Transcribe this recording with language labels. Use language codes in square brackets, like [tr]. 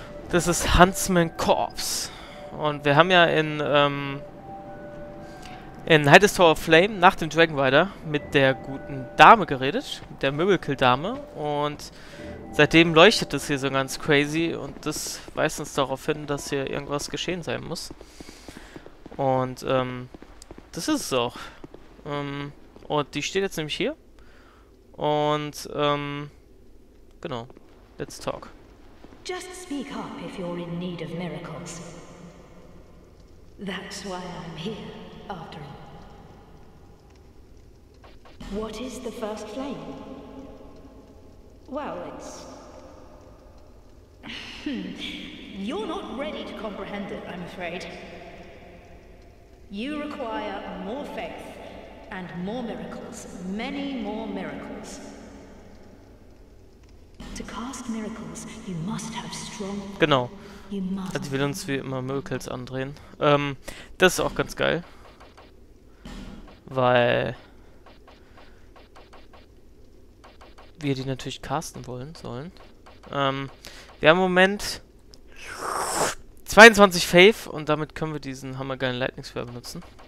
[de] Das ist Huntsman Corpse. Und wir haben ja in Hightest Tower of Flame nach dem Dragon Rider mit der guten Dame geredet, der Möbelkill-Dame, und seitdem leuchtet es hier so ganz crazy und das weist uns darauf hin, dass hier irgendwas geschehen sein muss. Und das ist es auch. Und die steht jetzt nämlich hier. Und genau. [en] Let's talk. Just speak up if you're in need of miracles. That's why I'm here, after all. What is the first flame? Well, it's... You're not ready to comprehend it, I'm afraid. You require more faith and more miracles, many more miracles. To cast miracles, you must have strong... [de] Genau. Also, die will uns wie immer Miracles andrehen. Das ist auch ganz geil. Weil wir die natürlich casten wollen sollen. Wir haben im Moment 22 Faith und damit können wir diesen hammergeilen Lightning Sphere benutzen.